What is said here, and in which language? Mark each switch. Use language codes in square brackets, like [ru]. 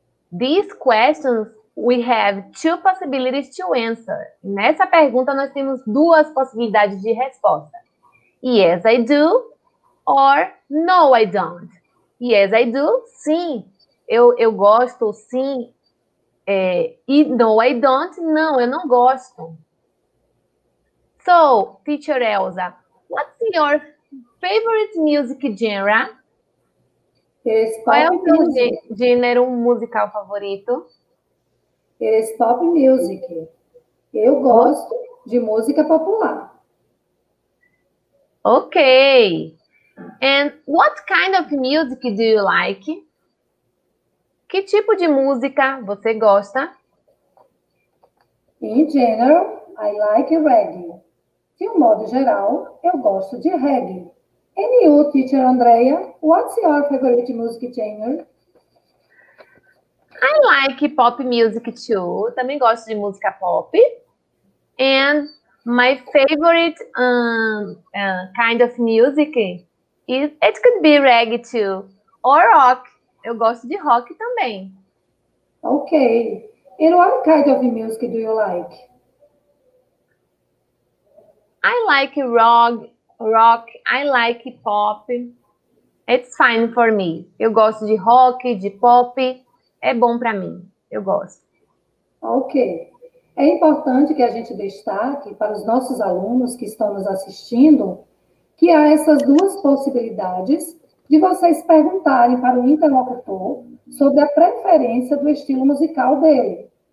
[en] These questions, we have two possibilities to answer. [pt] Nessa pergunta, nós temos duas possibilidades de resposta. [en] Yes, I do. Or, no, I don't. Yes, I do. [pt] Sim, eu gosto, sim. É, e [en] no, I don't. [pt] Não, eu não gosto. [en] So, teacher Elsa, what's your favorite music genre? [pt] Qual é o seu gênero musical favorito? [en] It is pop music. [pt] Eu gosto de música popular. Ok. [en] And what kind of music do you like? [pt] Que tipo de música você gosta? [en] In general, I like reggae. [pt] De um modo geral, eu gosto de reggae. [en] And you, teacher Andrea, what's your favorite music genre? I like pop music too. [pt] Também gosto de música pop. [en] And my favorite kind of music is it could be reggae too or rock. [pt] Eu gosto de rock também. [en] Okay. And what kind of music do you like? I like rock, I like pop, it's fine for me. [pt] Eu gosto de rock, de pop, é bom para mim, eu gosto. Ok, é importante que a gente destaque para os nossos alunos que estão nos assistindo que há essas duas possibilidades de vocês perguntarem para o interlocutor sobre a preferência do estilo musical dele.